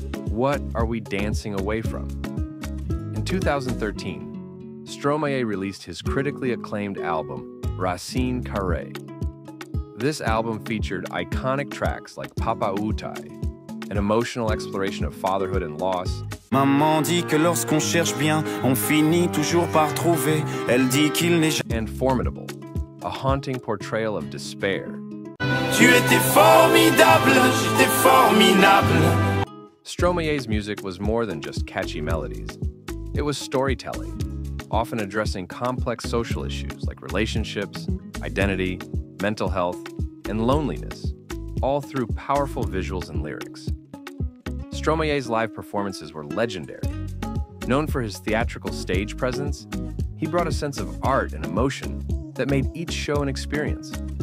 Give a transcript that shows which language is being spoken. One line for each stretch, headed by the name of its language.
English: What are we dancing away from? In 2013, Stromae released his critically acclaimed album, Racine Carrée. This album featured iconic tracks like Papa Outai, an emotional exploration of fatherhood and loss.
French: Maman dit que lorsqu'on cherche bien, on finit toujours par trouver. Elle dit qu'il n'est jamais.
English: And Formidable, a haunting portrayal of despair.
French: Tu étais formidable, j'étais formidable.
English: Stromae's music was more than just catchy melodies. It was storytelling, often addressing complex social issues like relationships, identity, mental health, and loneliness, all through powerful visuals and lyrics. Stromae's live performances were legendary. Known for his theatrical stage presence, he brought a sense of art and emotion that made each show an experience.